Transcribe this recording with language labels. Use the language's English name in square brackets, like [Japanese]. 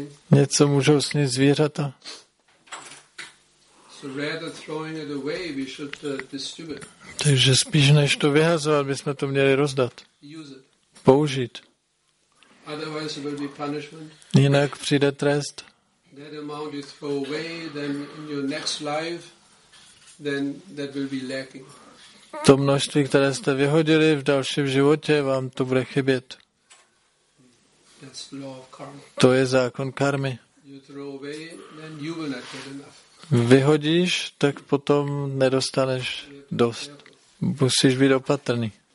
[Czech] Něco můžou snít zvířata. [English] So rather throwing it away, we should distribute. [Czech] Takže spíš než to vyhazovat, bychom to měli rozdat. [English] Use it. [Czech] Použít. [English] Otherwise it will be punishment. [Czech] Jinak přijde trest. [English] That amount you throw away, then in your next life, then that will be lacking. [Czech] To množství, které jste vyhodili v dalším životě, vám to bude chybět. [English] That's the law of karma. [Czech] To je zákon karmy. [English] You throw away, then you will not get enough. [Czech] Vyhodíš, tak potom nedostaneš dost. Musíš být opatrný.